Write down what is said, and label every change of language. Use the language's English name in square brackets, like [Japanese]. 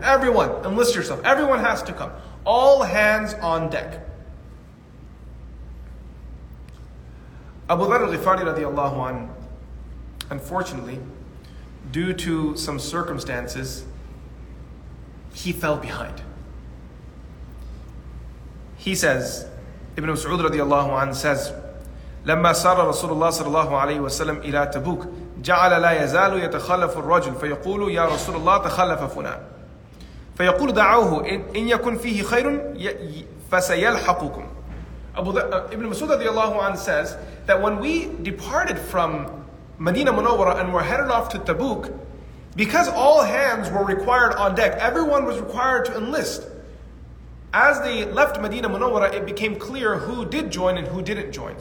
[English] Everyone, enlist yourself. Everyone has to come. All hands on deck. Abu Dharr al-Ghifari radiallahu anhu, unfortunately, due to some circumstances, he fell behind. He says, Ibn Mas'ud radiallahu anhu says, [Arabic] لما سار رسول الله صلى الله عليه وسلم إلى تبوك جعل لا يزال يتخلف الرجل فيقول يا رسول الله تخلف فلان فيقول دعوه إن يكن فيه خير فسيلحقكم. [English] Ibn Mas'ud radiallahu anhu says that when we departed from Medina Munawwara and were headed off to Tabuk, because all hands were required on deck, everyone was required to enlist. as they left Medina Munawwara, it became clear who did join and who didn't join.